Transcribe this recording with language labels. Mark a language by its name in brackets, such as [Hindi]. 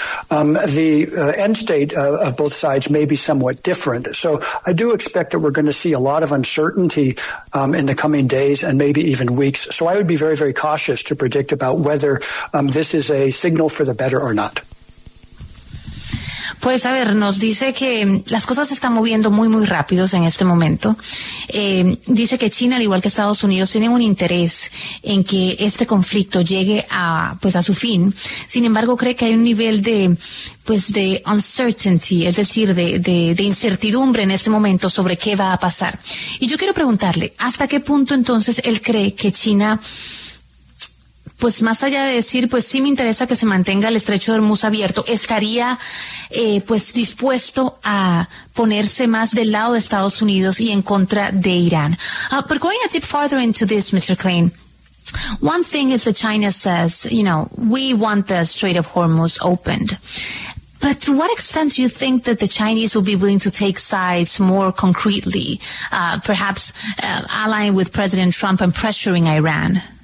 [English] The end state of both sides may be somewhat different. So I do expect that we're going to see a lot of uncertainty in the coming days and maybe even weeks. So I would be very, very cautious to predict about whether this is a signal for the better or not. [Spanish] Pues a ver, nos dice que las cosas se están moviendo muy, muy rápidos en este momento. Dice que China, al igual que Estados Unidos, tienen un interés en que este conflicto llegue a su fin. Sin embargo, cree que hay un nivel de uncertainty, es decir, de incertidumbre en este momento sobre qué va a pasar. Y yo quiero preguntarle, ¿hasta qué punto entonces él cree que China, pues más allá de decir, pues sí me interesa que se mantenga el estrecho de Hormuz abierto, estaría pues dispuesto a ponerse más del lado de Estados Unidos y en contra de Irán? [English] But going a tip farther into this, Mr. Klein, one thing is that China says, you know, we want the Strait of Hormuz opened. But to what extent do you think that the Chinese will be willing to take sides more concretely, perhaps allying with President Trump and pressuring Iran?